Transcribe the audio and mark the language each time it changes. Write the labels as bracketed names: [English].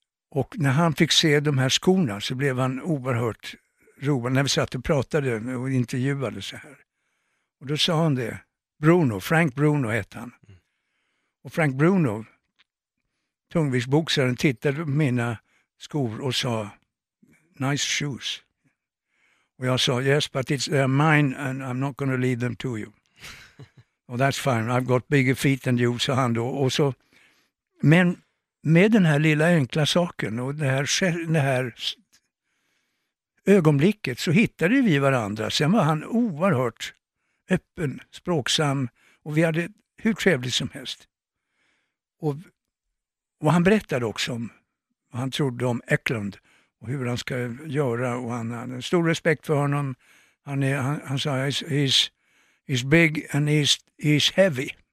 [Swedish] Och när han fick se de här skorna så blev han oerhört road när vi satt och pratade och intervjuade så här. Och då sa han det. Bruno, Frank Bruno hette han. Och Frank Bruno, tungviktsboxaren, tittade på mina skor och sa, [English] nice shoes. [Swedish] Och jag sa, [English] yes, but it's mine and I'm not going to leave them to you. Well, that's fine, I've got bigger feet than you, [Swedish] sa han då. Och så, men med den här lilla enkla saken och det här ögonblicket så hittade vi varandra. Sen var han oerhört öppen, språksam och vi hade hur trevligt som helst. Och han berättade också om vad han trodde om Eklund och hur han ska göra. Och han hade en stor respekt för honom. Han sa, [English] he's big and he's heavy.